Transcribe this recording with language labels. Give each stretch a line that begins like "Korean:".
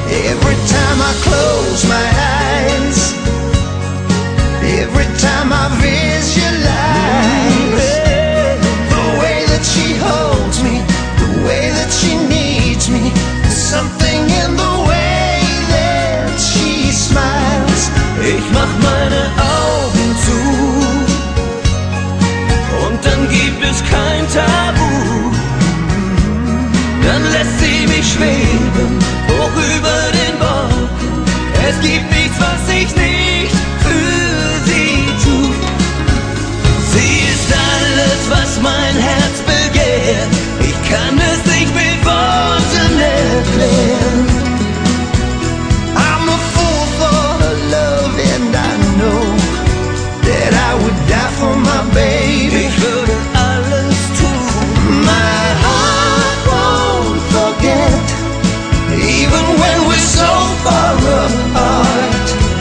English: Every time I close my eyes, every time I visualize, the way that she holds me, the way that she needs me, there's something in the way that she smiles.
German: Ich mach meine Augen zu, und dann gibt es kein Tabu. Dann lässt sie mich schweben, hoch über den. Es gibt nichts, was ich nicht für sie tu. Sie ist alles, was mein Herz begehrt. Ich kann es nicht mit Worten erklären.
English: I'm a fool for her love, and I know that I would die for my baby.
German: Ich würde alles tun.
English: My heart won't forget, even when we're so far apart.